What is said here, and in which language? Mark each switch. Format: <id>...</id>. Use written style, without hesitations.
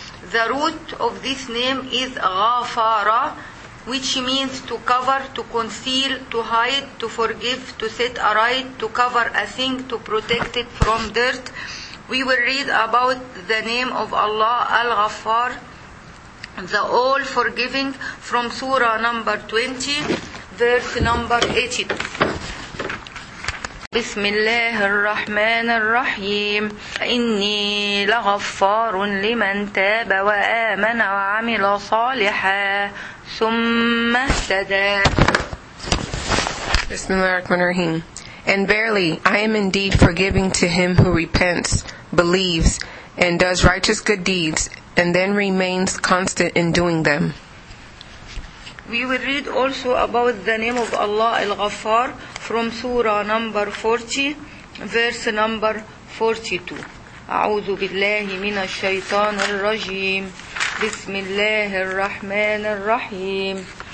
<en>The root of this name is Ghafara, which means to cover, to conceal, to hide, to forgive, to set aright, to cover a thing, to protect it from dirt. We will read about the name of Allah, Al-Ghaffar, the all-forgiving, from Surah number 20, verse number 82.</en> <ar>بسم الله الرحمن الرحيم إني لغفار لمن تاب وآمن وعمل صالحا ثم اهتدى. بسم الله الرحمن الرحيم.</ar> <en>And verily, I am indeed forgiving to him who repents, believes, and does righteous good deeds, and then remains constant in doing them. We will read also about the name of Allah Al-Ghaffar from Surah number 40, verse number 42.</en> <ar>أعوذ بالله من الشيطان الرجيم بسم الله الرحمن الرحيم.</ar>